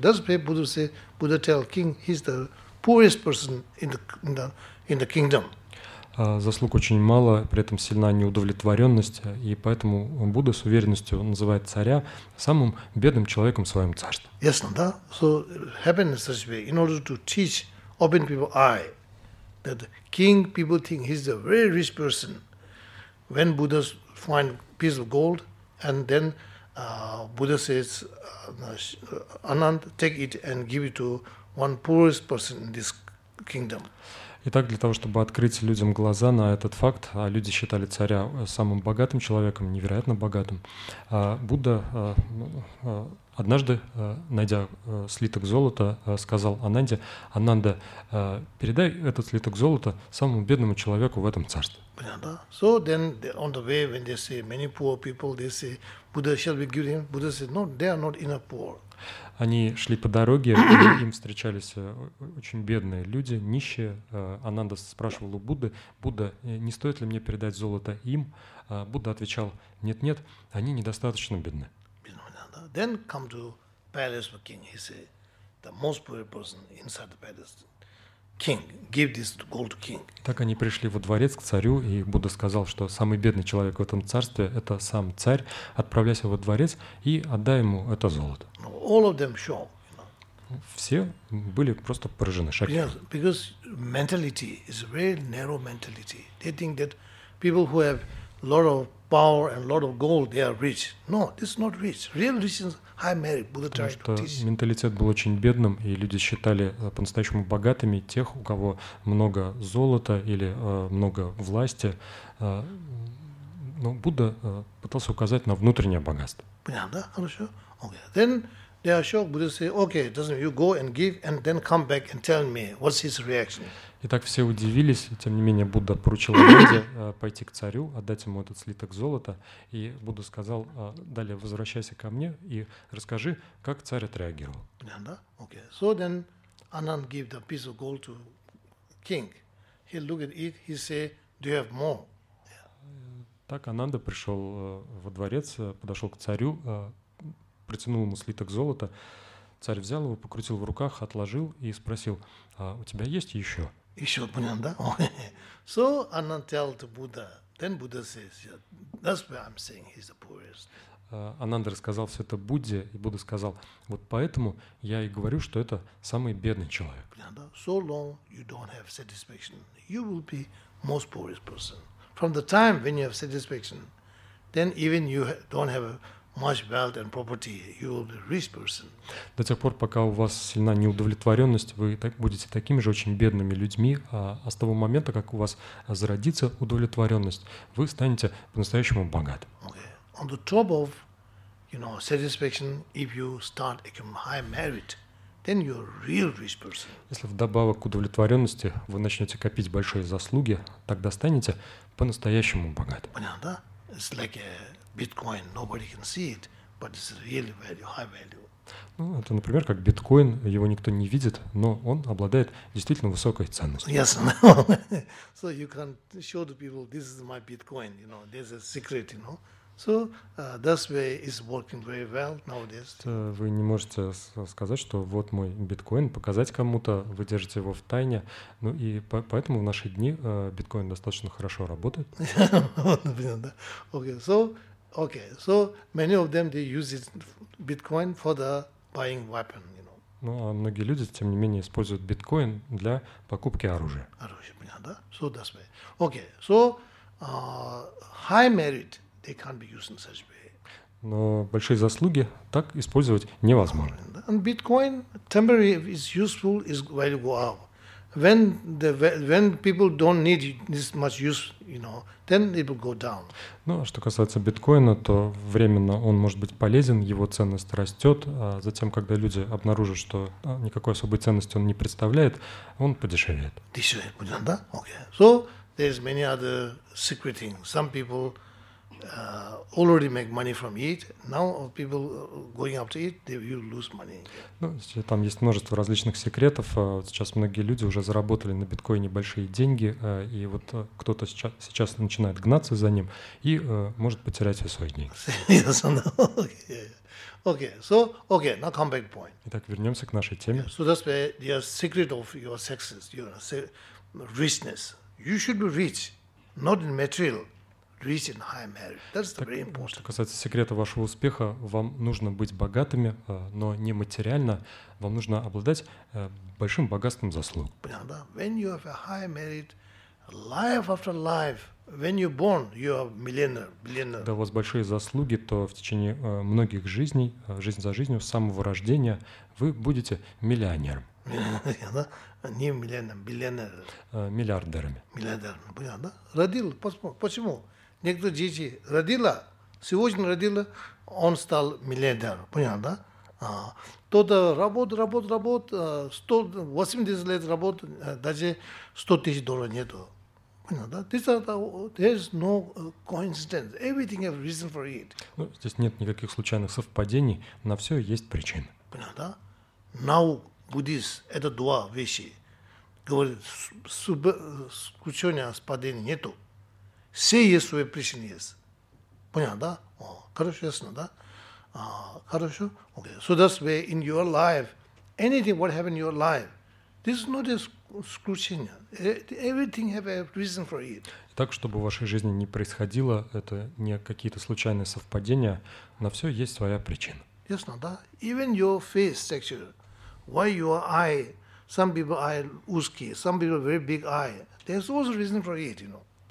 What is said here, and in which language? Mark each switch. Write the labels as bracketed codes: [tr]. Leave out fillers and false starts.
[en] That's why Buddha tell king he's the poorest person in the kingdom. [ru] Заслуг очень мало, при этом сильна неудовлетворенность, и поэтому Будда с уверенностью называет царя самым бедным человеком в своем царстве. Ясно, да? [en] So happened in such a way in order to teach, open people eye, that the king people think he's a very rich person. When Buddha find piece of gold, and then Buddha says, Anand, take it and give it to one poorest person in this kingdom. [ru] Итак, для того, чтобы открыть людям глаза на этот факт, люди считали царя самым богатым человеком, невероятно богатым. Будда однажды, найдя слиток золота, сказал Ананде: «Ананда, передай этот слиток золота самому бедному человеку в этом царстве». Понятно. [en] So then on the way, when they see many poor people, they say, Buddha shall we give him? Buddha said, no, they are not enough poor. [ru] Они шли по дороге, им встречались очень бедные люди, нищие. Ананда спрашивал у Будды: «Будда, не стоит ли мне передать золото им?» Будда отвечал: «Нет-нет, они недостаточно бедны». [en] Then come to palace of king. He said, the most poor person inside the palace. King, give this gold to king. [ru] Так они пришли во дворец к царю, и Будда сказал, что самый бедный человек в этом царстве – это сам царь. Отправляйся во дворец и отдай ему это золото. [en] No, all of them shocked. You know. [ru] Все были просто поражены, шокированы. [en] Yes, because mentality is a very narrow mentality. They think that people who have a lot of power and a lot of gold, they are rich. No, this is not rich. Real rich is high merit. Buddha tried to teach. [ru] Потому что менталитет был очень бедным, и люди считали по-настоящему богатыми тех, у кого много золота или много власти. Но Будда пытался указать на внутреннее богатство. Понятно, да? Хорошо. [en] Okay. Then they are shocked. Buddha say, okay, doesn't you go and give, and then come back and tell me what's his reaction? [ru] Итак, все удивились, тем не менее Будда поручил Ананде пойти к царю, отдать ему этот слиток золота, и Будда сказал: далее возвращайся ко мне и расскажи, как царь отреагировал. [en] Ананда, okay. So then Ananda gave the piece of gold to king. He looked at it, he said, do you have more? Yeah. [ru] Так Ананда пришел во дворец, подошел к царю, протянул ему слиток золота. Царь взял его, покрутил в руках, отложил и спросил: у тебя есть еще? Еще понял, да? [en] So Ananda tell to Buddha. Then Buddha says, yeah, that's why I'm saying he's the poorest. [ru] Ананда рассказал все это Будде, и Будда сказал: вот поэтому я и говорю, что это самый бедный человек. [en] So long you don't have satisfaction, you will be most poorest person. From the time when you have satisfaction, then even you don't have much wealth and property, you will be a rich person. [ru] До тех пор, пока у вас сильна неудовлетворенность, вы так будете такими же очень бедными людьми, а с того момента, как у вас зародится удовлетворенность, вы станете по-настоящему богатым. [en] Okay. On the top of, you know, satisfaction, if you start accumulating high merit, then you're a real rich person. [ru] Если вдобавок к удовлетворенности вы начнете копить большие заслуги, тогда станете по-настоящему богатым. Понятно, да? [en] It's like a Bitcoin, nobody can see it, but it's really value, high value. [ru] Ну, это, например, как биткоин, его никто не видит, но он обладает действительно высокой ценностью. Ясно. [en] So you can show the people, this is my Bitcoin, you know, there's a secret, you know. So that's why it's working very well nowadays. [ru] Вы не можете сказать, что вот мой биткоин, показать кому-то, вы держите его в тайне. Ну и поэтому в наши дни биткоин достаточно хорошо работает. [en] Okay, so... Okay, so many of them they use Bitcoin for the buying weapon, you know. [ru] Ну, а многие люди, тем не менее, используют биткоин для покупки оружия. Оружие, понятно, да? [en] So that's why. Okay, so high merit they can't be used in such way. [ru] Но большие заслуги так использовать невозможно. [en] And Bitcoin temporary is useful is value go up. When people don't need this much use, you know, then it will go down. [ru] Ну, а что касается биткоина, то временно он может быть полезен, его ценность растет, а затем, когда люди обнаружат, что никакой особой ценности он не представляет, он подешевеет. Дешевеет, понятно, да? [en] Okay. So there's many other secret things. Some people already make money from it. Now people going up to it, they will lose money. [ru] Ну, там есть множество различных секретов. Вот сейчас многие люди уже заработали на биткоине большие деньги, и вот кто-то сейчас начинает гнаться за ним и может потерять все свои деньги. [en] Yes, no. Okay, now come back point. [ru] Итак, вернемся к нашей теме. [en] Yeah, so that's where the secret of your success, you know, richness. You should be rich, not in material. Rich in high merit. That's the very important. [ru] Что касается секрета вашего успеха, вам нужно быть богатыми, но не материально. Вам нужно обладать большим богатством заслуг. Да. [en] When you have a high merit, life after life. When you born, you are millionaire. [ru] Когда у вас большие заслуги, то в течение многих жизней, жизнь за жизнью, с самого рождения, вы будете миллионером. Не миллионером, миллионером. Миллиардерами. Миллиардерами, понятно? Родил, почему? Некоторые дети сегодня родила, он стал миллиардером, понятно? Кто-то работает, 180 лет работает, даже 100 тысяч долларов нету. [en] There's no coincidence. Everything has reason for it. [ru] Ну, здесь нет никаких случайных совпадений. На все есть причина. Понятно? [en] Now Buddhist [ru] это два вещи. Говорит, случайного совпадения нету. Все есть свои причины есть. Понятно? О, хорошо, ясно, да? Хорошо. Okay. [en] So that's where in your life, anything what happened in your life. This is not a scrutiny. Everything have a reason for it. [ru] Так, чтобы в вашей жизни не происходило, это не какие-то случайные совпадения, на все есть своя причина. [en] Yes, no, да? Even your face texture, why your eye, some people eye узкие, some people very big eye, there's also reason for it, you know.